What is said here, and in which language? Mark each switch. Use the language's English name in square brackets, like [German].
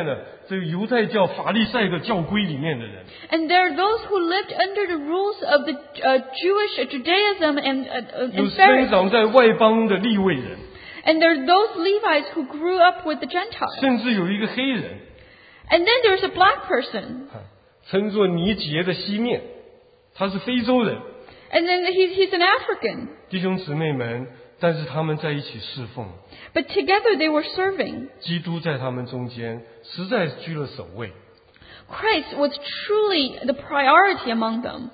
[Chinese] 有活在呢，原来活在呢这个犹太教法利赛的教规里面的人。 [English] And there are those who lived under the rules of the Jewish Judaism and Pharisees. [Chinese] 有生长在外邦的利未人。 [English] And there are those Levites who grew up with the Gentiles. [Chinese] 甚至有一个黑人。 [English] And then there's a black person. [Chinese] 称作尼杰的西面, 他是非洲人。 [English] And then he's an African. [Chinese] 弟兄姊妹们, 但是他们在一起侍奉。 [English] But together they were serving. [Chinese] 基督在他们中间, 实在居了首位。 [English] Christ was truly the priority among them.